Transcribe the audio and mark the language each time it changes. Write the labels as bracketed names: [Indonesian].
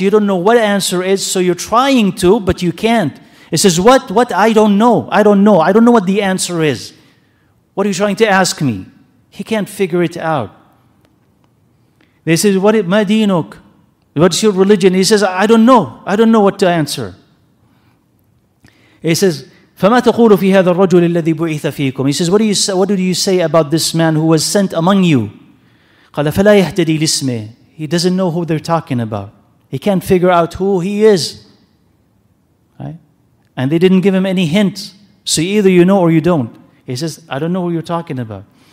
[English] You don't know what answer is, so you're trying to, but you can't. It says, what? I don't know. I don't know. I don't know what the answer is. What are you trying to ask me? He can't figure it out. They say, [Arabic] ma dinuk? [English] What's your religion? He says, I don't know. I don't know what to answer. He says, [Arabic] فَمَا تَقُولُ فِي هَذَا الرَّجُلِ الَّذِي بُعِثَ فِيكُمْ. [English] He says, what do you say about this man who was sent among you? [Arabic] قَالَ فَلَا يَهْتَدِي لِسْمِهِ. [English] He doesn't know who they're talking about. He can't figure out who he is. Right? And they didn't give him any hint. So either you know or you don't. He says, I don't know who you're talking about.